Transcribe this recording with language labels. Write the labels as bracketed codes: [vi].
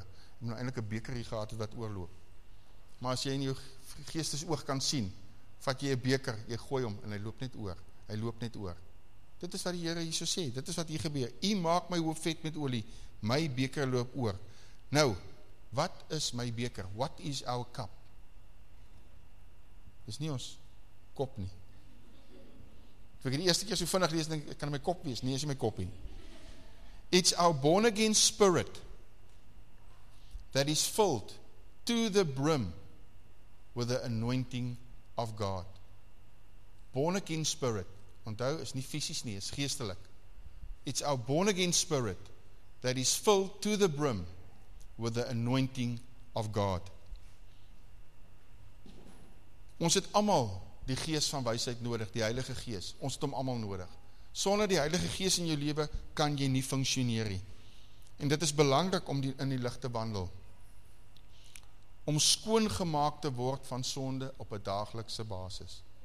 [af] Ek moet nou eindelijk een beker hier gehad het wat oorloop. Maar as jy in jou geestes oog kan sien, vat jy een beker, jy gooi hom en hy loop net oor. Hy loop net oor. Dit is wat die Here hier so sê. Dit is wat hier gebeur. U maak my hoof vet met olie. My beker loop oor. Nou, wat is my beker? [en] What is our cup? [af] Dis nie ons kop nie. Toe ek die eerste keer so vinnig lees, denk, kan my kop wees, nie is my kop nie. [en] It's our born again spirit that is filled to the brim with the anointing of God. [af] Born again spirit, onthou, is nie fisies nie, is geestelik. [en] It's our born again spirit that is filled to the brim with the anointing of God. [af] Ons het allemaal die gees van wysheid nodig, die Heilige Gees. Ons het hom allemaal nodig. Sonder die Heilige Gees in jou lewe kan jy nie funksioneer nie. En dit is belangrik om in die lig te wandel. Om skoongemaak te word van sonde op 'n daaglikse basis.